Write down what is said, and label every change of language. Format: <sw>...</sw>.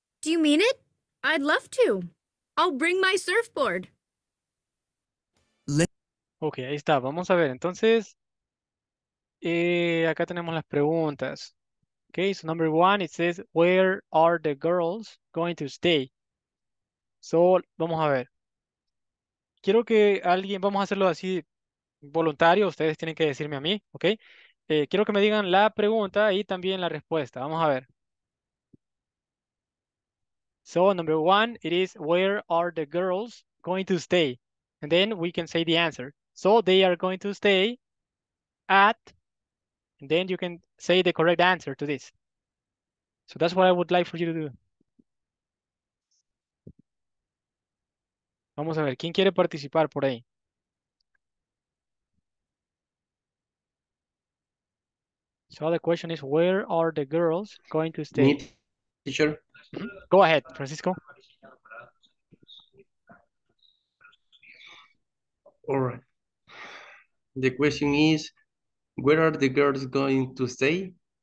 <en>Do you mean it? I'd love to. I'll bring my surfboard.</en> <es>Okay, ahí está. Vamos a ver. Entonces, acá tenemos las preguntas.</es> <en>Okay, so number one, it says, where are the girls going to stay?</en> <es>So, vamos a ver. Quiero que alguien, vamos a hacerlo así, voluntario, ustedes tienen que decirme a mí, ¿ok? Quiero que me digan la pregunta y también la respuesta. Vamos a ver.</es> <en>So, number one, it is, where are the girls going to stay? And then we can say the answer. So, they are going to stay at, and then you can say the correct answer to this. So, that's what I would like for you to do.</en> <es>Vamos a ver, ¿quién quiere participar por ahí?</es> <en>So the question is, where are the girls going to stay? Teacher. Go ahead, Francisco. All right. The question is, where are the girls going to stay?</en>